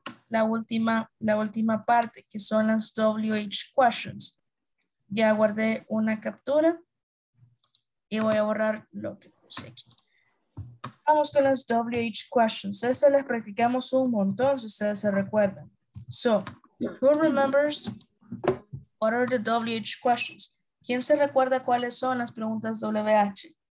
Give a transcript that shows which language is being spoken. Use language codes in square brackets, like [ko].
[es] La última parte, que son las WH questions. Ya guardé una captura y voy a borrar lo que puse aquí. Vamos con las WH questions. Estas las practicamos un montón, si ustedes se recuerdan. [en] So, who remembers what are the WH questions? [es] ¿Quién se recuerda cuáles son las preguntas WH?